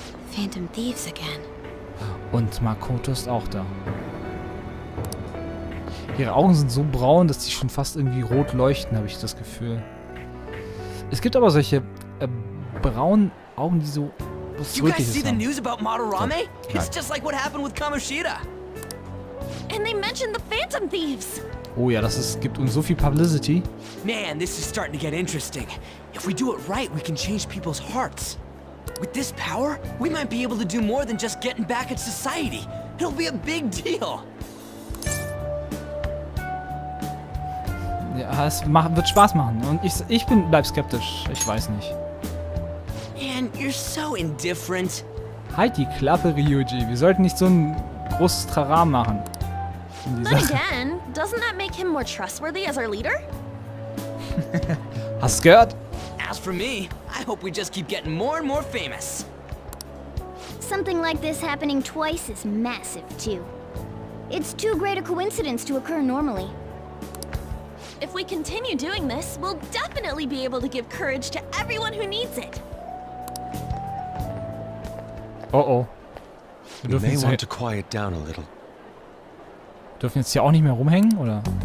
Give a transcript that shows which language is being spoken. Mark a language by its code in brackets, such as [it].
[en] Phantom Thieves again. [de] Und Makoto ist auch da. Ihre Augen sind so braun, dass sie schon fast irgendwie rot leuchten, habe ich das Gefühl. Es gibt aber solche braunen Augen, die so. [en] Was you guys see the news about Madarame? It's just like what happened with Kamoshida. And they mentioned the Phantom Thieves. [de] Oh ja, gibt uns so viel Publicity. [en] Man, this is starting to get interesting. If we do it right, we can change people's hearts. With this power, we might be able to do more than just getting back at society. It'll be a big deal. [de] Ja, es wird Spaß machen. Und ich bleib skeptisch. Ich weiß nicht. [en] Man, you're so indifferent. [de] Halt die Klappe, Ryuji. Wir sollten nicht so ein großes Trara machen. [en] But again, doesn't that make him more trustworthy as our leader? [de] Hast gehört? [en] As for me, I hope we just keep getting more and more famous. Something like this happening twice is massive, too. It's too great a coincidence to occur normally. If we continue doing this, we'll definitely be able to give courage to everyone who needs it. Oh-oh. You may want to quiet down a little. [de] Dürfen jetzt hier auch nicht mehr rumhängen, oder?